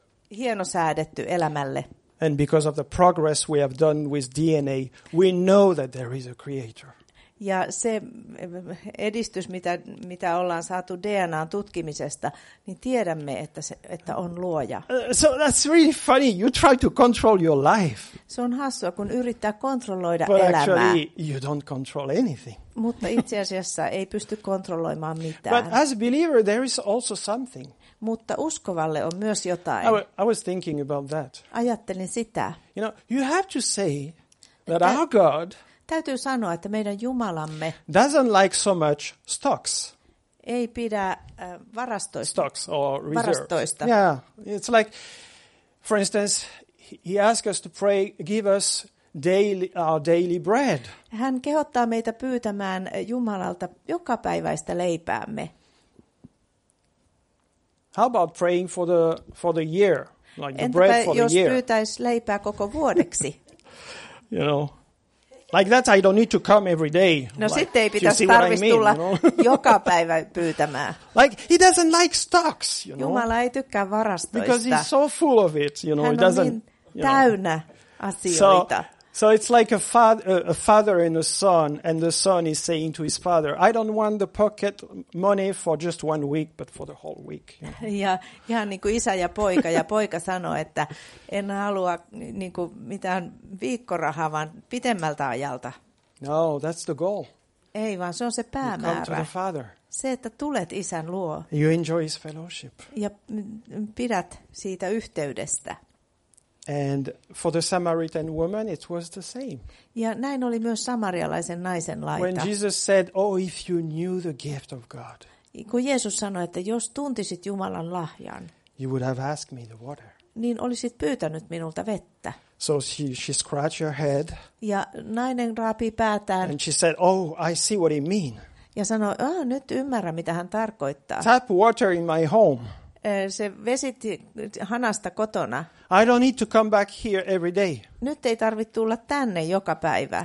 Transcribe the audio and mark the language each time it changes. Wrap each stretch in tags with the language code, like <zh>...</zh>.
<fi>Hieno säädetty elämälle.</fi> <en>And because of the progress we have done with DNA, we know that there is a creator.</en> <fi>Ja se edistys, mitä ollaan saatu DNA:n tutkimisesta, niin tiedämme, että on luoja.</fi> <en>So that's really funny. You try to control your life.</en> <fi>Se on hassua, kun yrittää kontrolloida</fi> <en>but</en> <fi>elämää.</fi> <en>But actually, you don't control anything.</en> <fi>Mutta itse asiassa ei pysty kontrolloimaan mitään.</fi> <en>But as a believer, there is also something.</en> <fi>Mutta uskovalle on myös jotain.</fi> <en>I was thinking about that.</en> <fi>Ajattelin sitä.</fi> <en>You know, you have to say that our God.</en> <fi>Täytyy sanoa, että meidän Jumalamme</fi> <en>doesn't like so much stocks.</en> <fi>Ei pidä varastoista.</fi> <en>Stocks or reserves.</en> <fi>Varastoista.</fi> <en>Yeah, it's like, for instance, he asks us to pray, give us our daily bread.</en> <fi>Hän kehottaa meitä pyytämään Jumalalta jokapäiväistä leipäämme.</fi> <en>How about praying for the year, like the bread for the year?</en> <fi>Entäpä jos pyytäis leipää koko vuodeksi?</fi> <en>You know. Like that, I don't need to come every day.</en> <fi>No</fi> <en>like,</en> <fi>sitten ei pitäisi tarvitsisi tulla joka päivä pyytämään.</fi> <en>Like he doesn't like stocks, you know.</en> <fi>Jumala ei tykkää varastoista.</fi> <en>Because he's so full of it, you know.</en> <fi>Hän</fi> <en>it doesn't.</en> <fi>Niin täynnä asioita.</fi> <en>So it's like a father and a son, and the son is saying to his father, "I don't want the pocket money for just one week, but for the whole week."</en> <fi>Ja ihan niin kuin isä ja poika, ja poika sanoo, että en halua niin kuin mitään viikkorahaa, vaan pidemmältä ajalta.</fi> <en>No, that's the goal.</en> <fi>Ei, vaan se on se päämäärä.</fi> <en>You come to the father.</en> <fi>Se, että tulet isän luo.</fi> <en>You enjoy his fellowship.</en> <fi>Ja pidät siitä yhteydestä.</fi> <en>And for the Samaritan woman, it was the same.</en> <fi>Ja näin oli myös samarialaisen naisen laita.</fi> <en>When Jesus said, "Oh, if you knew the gift of God,"</en> <fi>kun Jeesus sanoi, että jos tuntisit Jumalan lahjan,</fi> <en>you would have asked me the water.</en> <fi>Niin olisit pyytänyt minulta vettä.</fi> <en>So she scratched her head.</en> <fi>Ja nainen raapii päätään.</fi> <en>And she said, "Oh, I see what he mean."</en> <fi>Ja sanoi, "Ah, nyt ymmärrän, mitä hän tarkoittaa."</fi> <en>Tap water in my home.</en> <fi>Se vesitti hanasta kotona.</fi> <en>I don't need to come back here every day.</en> <fi>Nyt ei tarvitse tulla tänne joka päivä.</fi>